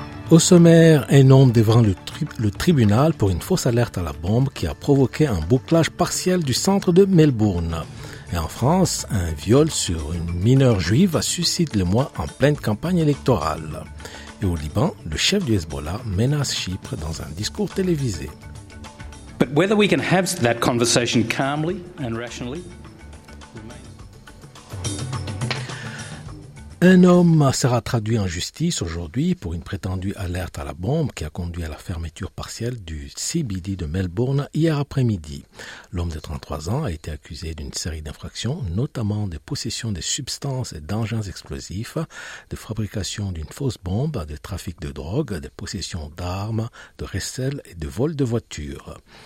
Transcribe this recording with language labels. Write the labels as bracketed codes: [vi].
[fr] Au sommaire, un homme devant le tribunal pour une fausse alerte à la bombe qui a provoqué un bouclage partiel du centre de Melbourne. Et en France, un viol sur une mineure juive suscite le mois en pleine campagne électorale. Et au Liban, le chef du Hezbollah menace Chypre dans un discours télévisé. [en] But whether we can have that conversation calmly and rationally remains. [fr] Un homme sera traduit en justice aujourd'hui pour une prétendue alerte à la bombe qui a conduit à la fermeture partielle du CBD de Melbourne hier après-midi. L'homme de 33 ans a été accusé d'une série d'infractions, notamment de possession de substances et d'engins explosifs, de fabrication d'une fausse bombe, de trafic de drogue, de possession d'armes, de recel et de vol de voitures.